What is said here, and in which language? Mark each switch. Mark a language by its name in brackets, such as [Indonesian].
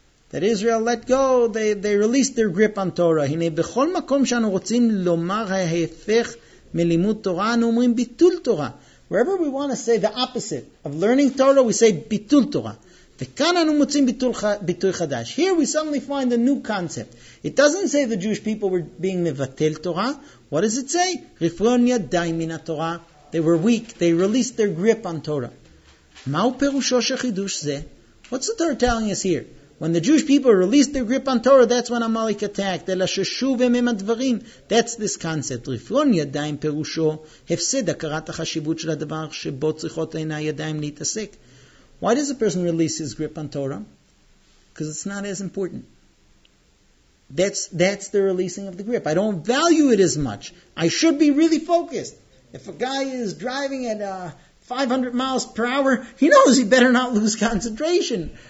[English] That Israel let go, they released their grip on Torah. [Hebrew] הנה בכל מקום שאנו רוצים לומר ההפך מלימוד תורה, אנו אומרים ביטול תורה. [English] Wherever we want to say the opposite of learning Torah, we say ביטול תורה. [Hebrew] וכאן אנו מוצאים ביטוי חדש. [English] Here we suddenly find a new concept. It doesn't say the Jewish people were being מבטל תורה. What does it say? [Hebrew] רפיון ידיים מן התורה. [English] They were weak. They released their grip on Torah. [Hebrew] מהו פירושו של חידוש זה? [English] What's the Torah telling us here? When the Jewish people released their grip on Torah, that's when Amalek attacked. [Hebrew] אלא ששוב הם הם הדברים. [English] That's this concept. [Hebrew] רפיון ידיים פירושו, הפסד הכרת החשיבות של הדבר שבו צריכות עיני ידיים להתעסק. [English] Why does a person release his grip on Torah? Because it's not as important. That's the releasing of the grip. I don't value it as much. I should be really focused. If a guy is driving at a 500 miles per hour, he knows he better not lose concentration.